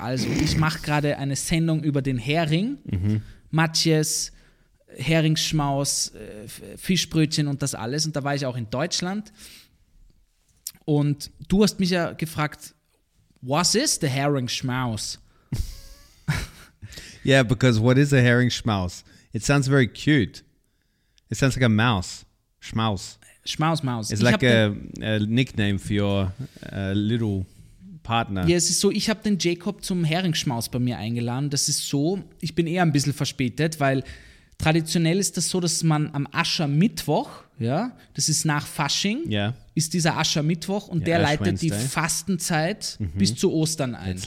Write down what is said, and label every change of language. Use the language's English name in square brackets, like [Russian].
[German] Also, ich mache gerade eine Sendung über den Hering. Matjes. Heringsschmaus, Fischbrötchen und das alles. Und da war ich auch in Deutschland. Und du hast mich ja gefragt, was ist der Heringsschmaus? [English] Yeah, because what is a Heringsschmaus? It sounds very cute. It sounds like a mouse. Schmaus. [German] Schmaus. [English] It's like a nickname for your little partner. [German] Ja, es ist so, ich habe den Jacob zum Heringsschmaus bei mir eingeladen. Das ist so, ich bin eher ein bisschen verspätet, weil... Traditionell ist das so, dass man am Aschermittwoch, ja, das ist nach Fasching, ist dieser Aschermittwoch und der leitet die Fastenzeit bis zu Ostern ein.